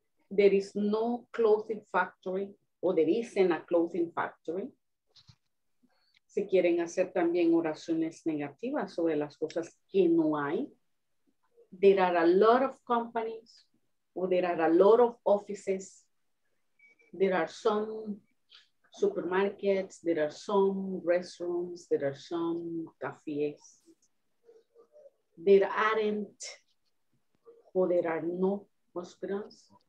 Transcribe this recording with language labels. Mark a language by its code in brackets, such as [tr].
[en] There is no clothing factory, or there isn't a clothing factory. [es] Si quieren hacer también oraciones negativas sobre las cosas que no hay. [en] There are a lot of companies, or there are a lot of offices. There are some supermarkets, there are some restaurants, there are some cafes. There aren't, or there are not Postgres.